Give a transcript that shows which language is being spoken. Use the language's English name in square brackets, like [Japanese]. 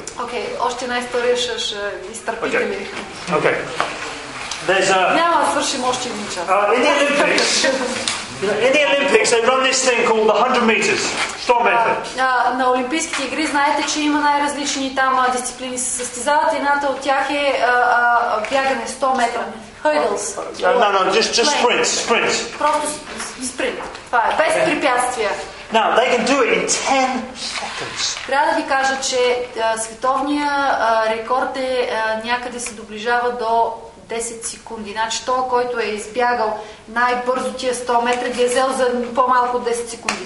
[Bulgarian] Okay, още една история ще изтърпите ли? [English] Okay. There's a. [Bulgarian] Няма да свършим още един час. [English] In the Olympics. In the Olympics, they run this thing called the 100 meters, strong method. [Bulgarian] На олимпийските игри знаете, че има най-различни там дисциплини. Състезават едната от тях е бягане 100 метра. [English] Hurdles. Just sprint. [Bulgarian] Просто спринт. Това е без препятствия. [English] Now they can do it in 10 seconds. [Bulgarian] Трябва да ви кажа, че световният рекорд е някъде се доближава до 10 секунди. Значи той, който е избягал най-бързо тия 100 метра, ги е взел за по-малко от 10 секунди.